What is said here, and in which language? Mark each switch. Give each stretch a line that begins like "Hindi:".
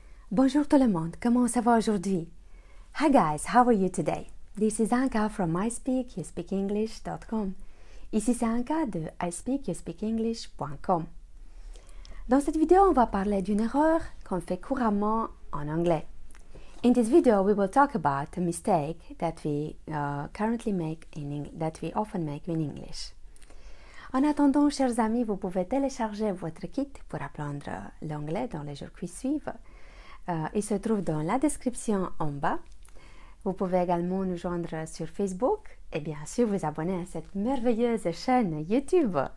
French: Bonjour tout le monde, comment ça va aujourd'hui?
English: Hi guys, how are you today? This is Anka from ispeakyouspeakenglish.com.
French: Ici c'est Anka de ispeakyouspeakenglish.com. Dans cette vidéo, on va parler d'une erreur qu'on fait couramment en anglais.
English: In this video, we will talk about a mistake that we often make in English.
French: En attendant, chers amis, vous pouvez télécharger votre kit pour apprendre l'anglais dans les jours qui suivent. Il se trouve dans la description en bas. Vous pouvez également nous joindre sur Facebook et bien sûr vous abonner à cette merveilleuse chaîne YouTube.